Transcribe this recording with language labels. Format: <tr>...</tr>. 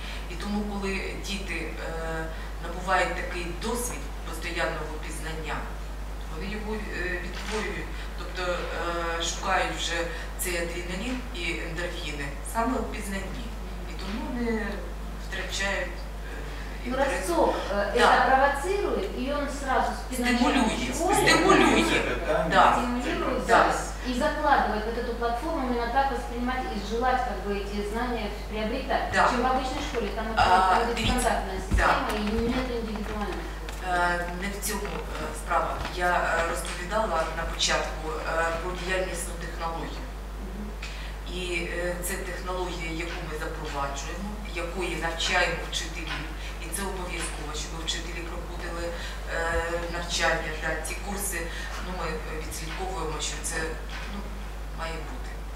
<uk>І тому, коли діти набувають такий досвід постійного пізнання, вони його відтворюють, тобто шукають вже цей адреналін і ендорфіни саме у пізнанні. І тому вони втрачають.</uk> <ru>Ну, ростцов да. Это провоцирует, и он сразу стимулирует да. И закладывает вот эту платформу именно так воспринимать и желать как бы эти знания приобретать, да. Чем в обычной школе, там проводит стандартная система, да. И нет индивидуальности.</ru> <uk>Не в цьому справа. Я розповідала на початку про діяльність технологій. І це технологія, яку ми запроваджуємо, якої навчаємо вчителів. Це обов'язково, щоб вчителі проходили навчання, да, ці курси, ну, ми відслідковуємо, що це, ну, має бути.</uk>